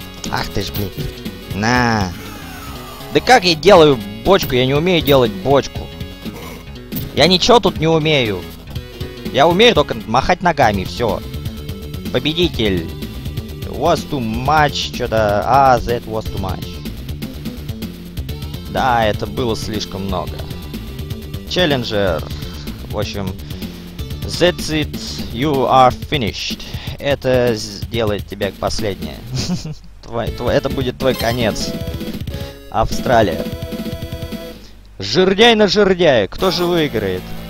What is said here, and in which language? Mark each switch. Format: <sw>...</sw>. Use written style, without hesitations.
<ru>Ах ты ж, блин. На. Да как я делаю бочку? Я не умею делать бочку. Я ничего тут не умею. Я умею только махать ногами, все. Победитель.</ru> <en>Was too much,</en> <ru>что-то...</ru> <en>А, that was too much.</en> <ru>Да, это было слишком много. Челленджер. В общем...</ru> <en>That's it, you are finished.</en> <ru>Это сделает тебя последнее. Это будет твой конец. Австралия. Жирдяй на жирдяй. Кто же выиграет?</ru>